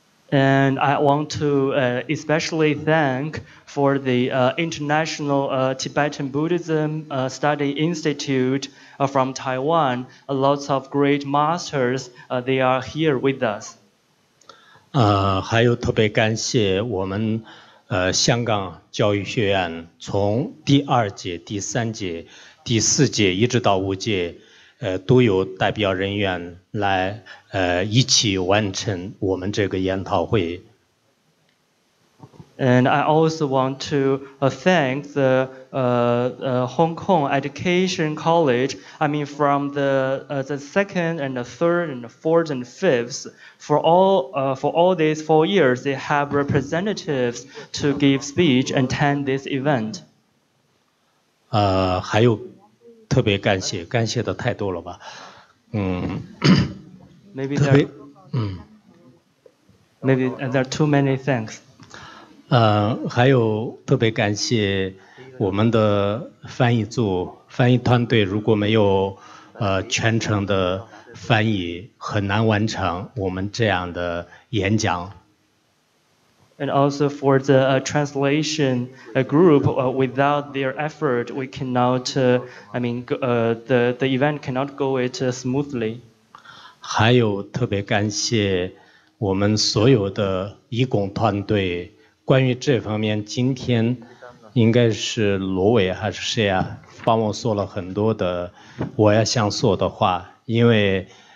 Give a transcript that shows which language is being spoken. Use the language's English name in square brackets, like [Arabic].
[English] And I want to especially thank for the International Tibetan Buddhism Study Institute from Taiwan. Lots of great masters, they are here with us. [Chinese] 还有特别感谢我们香港教育学院从第二届、第三届、第四届一直到五届都有代表人员来一起完成我们这个研讨会。 [English] And I also want to thank the Hong Kong Education College, I mean from the second and the third and the fourth and fifth, for all these 4 years, they have representatives to give speech and attend this event. [Chinese] 还有特别感谢，感谢的太多了吧。 [English] Maybe there are too many thanks. [Chinese] 还有特别感谢我们的翻译组、翻译团队，如果没有全程的翻译，很难完成我们这样的演讲。 [English] And also for the translation group, without their effort, we cannot, the event cannot go it smoothly. [Chinese] 还有特别感谢我们所有的义工团队，关于这方面，今天应该是罗伟还是谁啊，帮我说了很多的我要想说的话，因为